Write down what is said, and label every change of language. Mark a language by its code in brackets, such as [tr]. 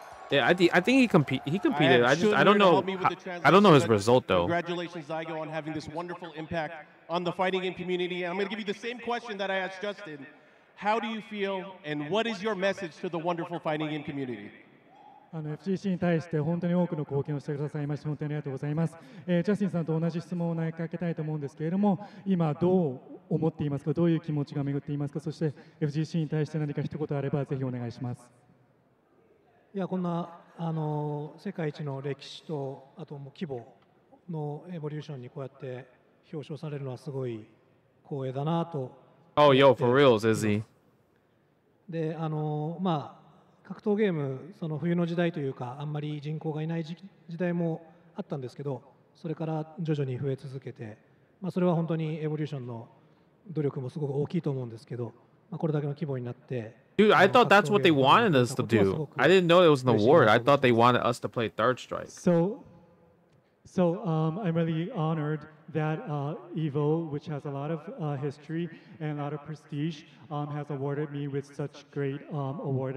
[en] Yeah, I think he competed. I don't know his result though. Congratulations, Daigo, on having this wonderful impact on the fighting game community. And I'm gonna give you the same question that I asked Justin. How do you feel, and what is your message to the wonderful fighting game community? [ja] FGC に対して本当に多くの貢献をしてくださいまして本当にありがとうございます、ジャスティンさんと同じ質問を投げかけたいと思うんですけれども今どう思っていますかどういう気持ちが巡っていますかそして FGC に対して何か一言あればぜひお願いしますいやこんな世界一の歴史とあとも規模のエボリューションにこうやって表彰されるのはすごい光栄だなと [en] Oh yo for reals is he [ja] でまあ格闘ゲームその冬の時代というかあんまり人口がいない時代もあったんですけどそれから徐々に増え続けて、まあ、それは本当にエボリューションの努力もすごく大きいと思うんですけど、まあ、これだけの規模になって [en] Dude, I thought that's what they wanted us to do. I didn't know it was an award. I thought they wanted us to play Third Strike. So, I'm really honored that EVO, which has a lot of history and a lot of prestige, has awarded me with such great award.